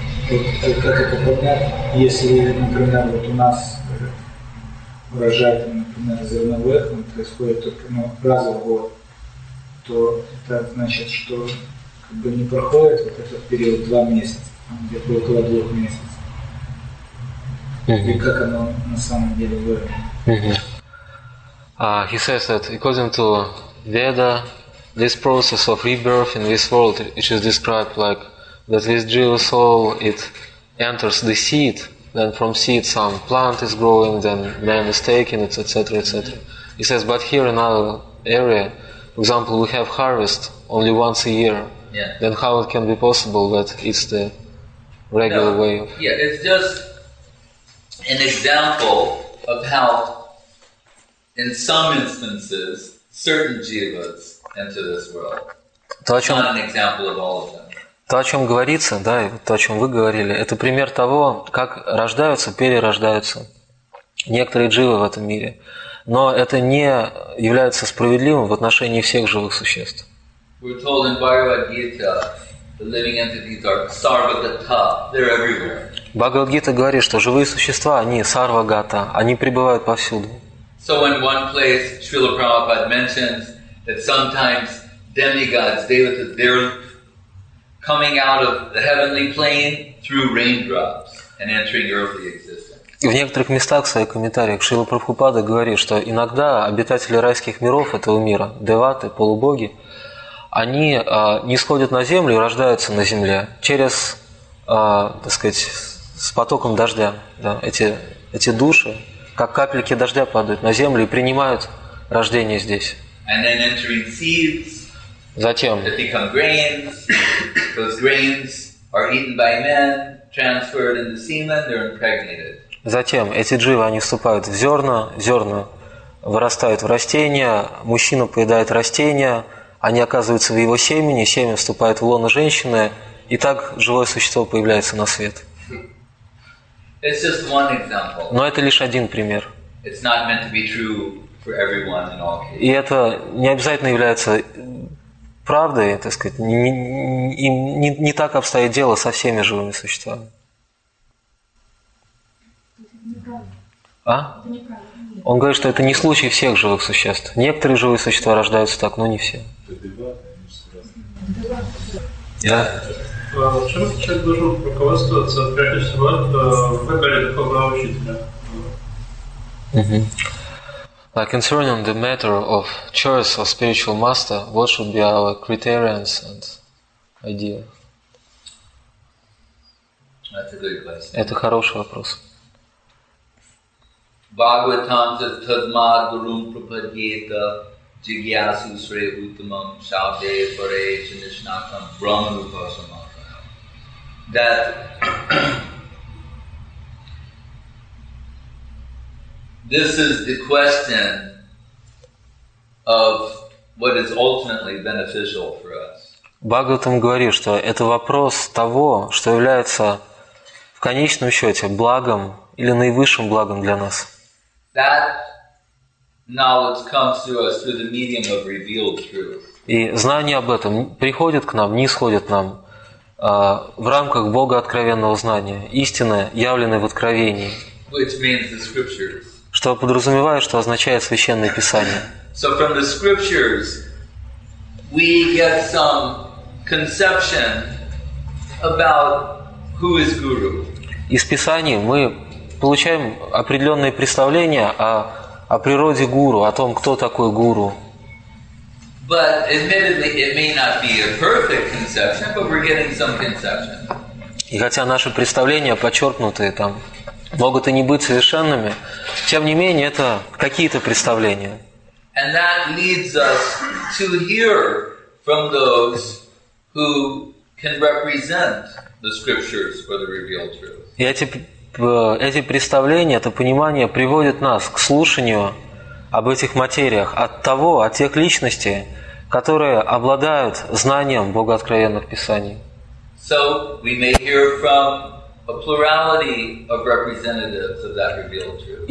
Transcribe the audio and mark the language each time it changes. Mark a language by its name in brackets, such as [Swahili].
[Russian] Вот как это понять, если, например, вот у нас урожай, например, зерновых, он происходит только раз в год, то это значит, что как бы не проходит вот этот период 2 месяца, там, где-то около 2 месяцев. Mm-hmm. И как оно на самом деле выглядит? [English] He says that according to Veda, this process of rebirth in this world, which is described like that this Jiva soul, it enters the seed, then from seed some plant is growing, then man is taking it, etc., etc. He says, but here in our area, for example, we have harvest only once a year. Yeah. Then how it can be possible that it's the regular way? Yeah, it's just an example of how in some instances certain jivas enter this world. It's not an example of all of them. [Russian] То, о чем говорится, да, и то, о чем вы говорили, это пример того, как рождаются, перерождаются некоторые дживы в этом мире. Но это не является справедливым в отношении всех живых существ. [English] We're told in Bhagavad-gita, the living entities are sarvagata, they're everywhere. [Russian] Бхагавад-гита говорит, что живые существа, они сарвагата, они пребывают повсюду. [English] So in one place, Srila Prabhupada mentions that sometimes demigods, devatas, they're coming out of the heavenly plane through raindrops and entering earthly existence. [Russian] И в некоторых местах в своих комментариях Шрила Прабхупада говорит, что иногда обитатели райских миров этого мира, деваты, полубоги, они нисходят на землю и рождаются на земле через, так сказать, с потоком дождя. Да, эти души, как капельки дождя, падают на землю и принимают рождение здесь. [English] And then entering seeds. [Russian] Затем. [English] They become grains. Those grains are eaten by men, transferred into semen, they're impregnated. [Russian] Затем эти дживы, они вступают в зерна, зерна вырастают в растения, мужчина поедает растения, они оказываются в его семени, семя вступает в лоно женщины, и так живое существо появляется на свет. [English] It's just one example. [Russian] Но это лишь один пример. [English] It's not meant to be true for everyone in all cases. [Russian] И это не обязательно является правда, так сказать, не так обстоит дело со всеми живыми существами. Это неправда. Он говорит, что это не случай всех живых существ. Некоторые живые существа рождаются так, но не все. Да. Чем человек должен руководствоваться, прежде всего, в выборе такого учителя? [English] Like concerning the matter of choice of spiritual master, what should be our criterions and idea? That's a good question. [Russian] Это хороший вопрос. [English] Bhagavatam says [Sanskrit] Tadma Gurum Prapadyeta Jigyasu Sre Uttamam Shaude Pare Chanishnakam Brahma Rupasama. [English] That this is the question of what is ultimately beneficial for us. [Russian] Бхагаватам говорит, что это вопрос того, что является в конечном счете благом или наивысшим благом для нас. [English] That knowledge comes to us through the medium of revealed truth. [Russian] И знание об этом приходит к нам, нисходит нам в рамках Бога откровенного знания, истины, явленной в откровении. [English] Which means the scriptures. [Russian] Что подразумевает, что означает Священное Писание. [English] So from the scriptures we get some conception about who is guru. [Russian] Из Писаний мы получаем определенные представления о природе гуру, о том, кто такой гуру. [English] But admittedly, it may not be a perfect conception, but we're getting some conception. [Russian] И хотя наши представления подчеркнутые там могут и не быть совершенными. Тем не менее, это какие-то представления. [English] And that leads us to hear from those who can represent the scriptures for the revealed truth. [Russian] И эти представления, это понимание приводит нас к слушанию об этих материях от того, от тех личностей, которые обладают знанием Богооткровенных Писаний. [English] So we may hear from a plurality of representatives of that revealed truth.